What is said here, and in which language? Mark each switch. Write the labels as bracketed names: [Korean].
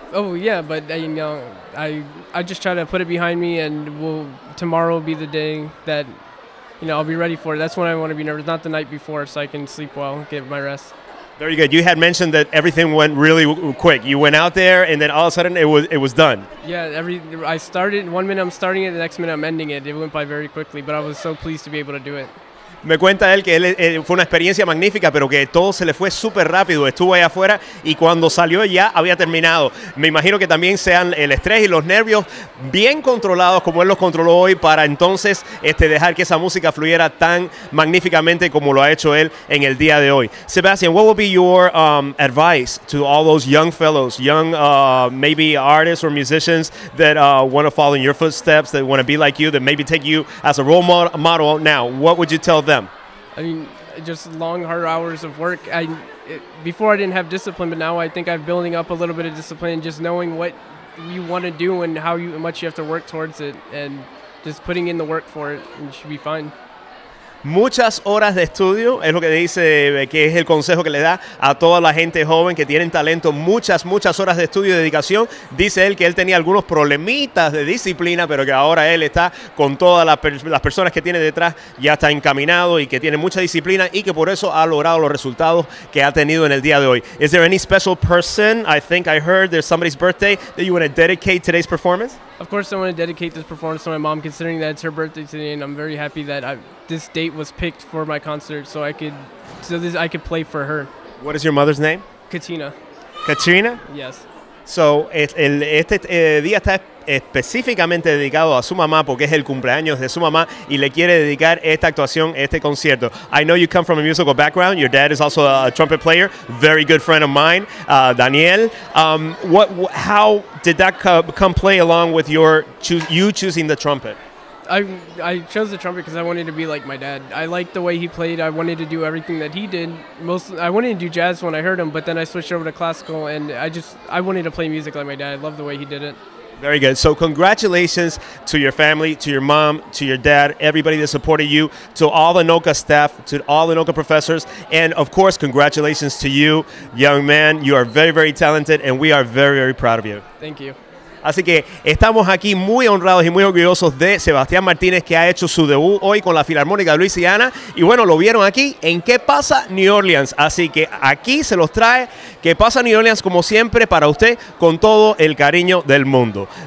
[English] Oh, yeah, but you know, I just try to put it behind me and tomorrow will be the day that, you know, I'll be ready for it. That's when I want to be nervous, not the night before, so I can sleep well, get my rest. Very good. You had mentioned that everything went really quick. You went out there, and then all of a sudden, it was done. Yeah, I started, 1 minute I'm starting it, the next minute I'm ending it. It went by very quickly, but I was so pleased to be able to do it. [Spanish] Me cuenta él que fue una experiencia magnífica, pero que todo se le fue súper rápido. Estuvo allá afuera y cuando salió ya había terminado. Me imagino que también sean el estrés y los nervios bien controlados como él los controló hoy para entonces dejar que esa música fluyera tan magníficamente como lo ha hecho él en el día de hoy. [English] Sebastian, what would be your advice to all those young fellows, young maybe artists or musicians that want to follow in your footsteps, that want to be like you, that maybe take you as a role model now? What would you tell them? I mean, just long, hard hours of work. Before I didn't have discipline, but now I think I'm building up a little bit of discipline, just knowing what you want to do and how much you have to work towards it, and just putting in the work for it, and you should be fine. [Spanish] Muchas horas de estudio es lo que dice, que es el consejo que le da a toda la gente joven que tienen talento. Muchas, muchas horas de estudio y dedicación. Dice él que él tenía algunos problemitas de disciplina, pero que ahora él está con todas las personas que tiene detrás, ya está encaminado y que tiene mucha disciplina y que por eso ha logrado los resultados que ha tenido en el día de hoy. [English] Is there any special person? I think I heard there's somebody's birthday that you want to dedicate today's performance? Of course I want to dedicate this performance to my mom, considering that it's her birthday today, and I'm very happy that this date was picked for my concert so I could play for her. What is your mother's name? Katina. Katrina? Yes. [Spanish] So, día está específicamente dedicado a su mamá porque es el cumpleaños de su mamá y le quiere dedicar esta actuación, este concierto. [English] I know you come from a musical background. Your dad is also a trumpet player, very good friend of mine, Daniel. How did that come play along with you choosing the trumpet? I chose the trumpet because I wanted to be like my dad. I liked the way he played. I wanted to do everything that he did. I wanted to do jazz when I heard him, but then I switched over to classical, and I wanted to play music like my dad. I loved the way he did it. Very good. So congratulations to your family, to your mom, to your dad, everybody that supported you, to all the NOCCA staff, to all the NOCCA professors, and of course, congratulations to you, young man. You are very, very talented, and we are very, very proud of you. Thank you. [Spanish] Así que estamos aquí muy honrados y muy orgullosos de Sebastián Martínez, que ha hecho su debut hoy con la Filarmónica de Luisiana. Y bueno, lo vieron aquí en ¿Qué pasa, New Orleans? Así que aquí se los trae ¿Qué pasa, New Orleans? Como siempre, para usted, con todo el cariño del mundo.